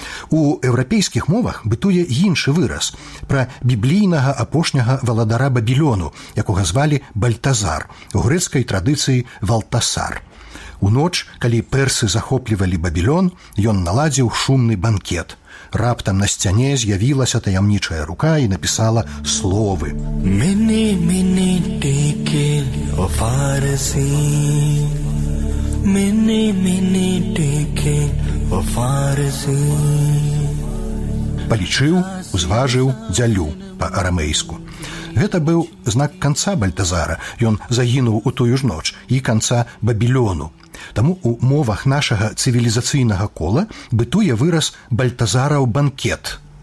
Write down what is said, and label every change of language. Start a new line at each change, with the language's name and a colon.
Belarusian: У еўрапейскіх мовах бытуе іншы выраз – пра біблійнага апошняга валадара Бабілёну, якога звалі Бальтазар, у грэцкай традыцыі Валтасар. У ноч, калі персы захоплівалі Бабілён, ён наладзіў шумны банкет. Раптам на сцяне з'явілася таямнічая рука і напісала словы.
Aramaic: Мені, мені, дикель, о фарсі. Мені, мені, дикель, о фарсі.
Belarusian: Палічыў, узважыў, дзялю па-арамейску. Гэта быў знак канца Бальтазара. Ён загінуў у тую ж ноч і канца Бабілёну. Таму у мовах нашага цывілізацыйнага кола бытуе выраз «Бальтазараў банкет».